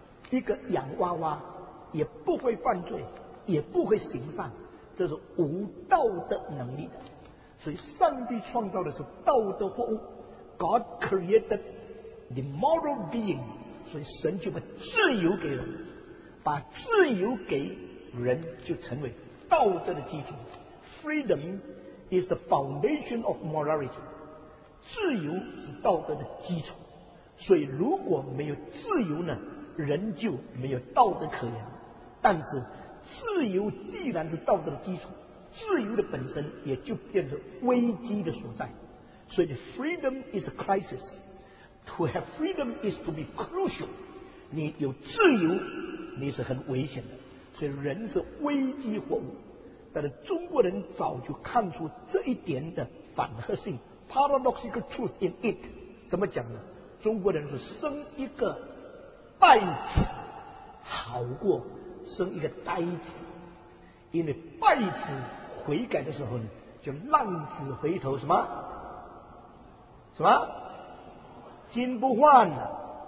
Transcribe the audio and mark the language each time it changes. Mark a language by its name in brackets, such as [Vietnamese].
[Chinese] 一个养娃娃也不会犯罪也不会行善，这是无道德能力的。所以上帝创造的是道德货物， [English] God created the moral being， [Chinese] 所以神就把自由给人，把自由给人就成为道德的基础。 [English] Freedom is the foundation of morality， [Chinese] 自由是道德的基础。所以如果没有自由呢，人就没有道德可言。但是自由既然是道德的基础，自由的本身也就变成危机的所在。所以 [English] freedom is a crisis， to have freedom is to be crucial， [Chinese] 你有自由你是很危险的。所以人是危机活物，但是中国人早就看出这一点的反合性， [English] paradoxical truth in it。 [Chinese] 怎么讲呢？中国人是生一个败子好过生一个呆子，因为败子悔改的时候呢，就浪子回头什么什么金不换了。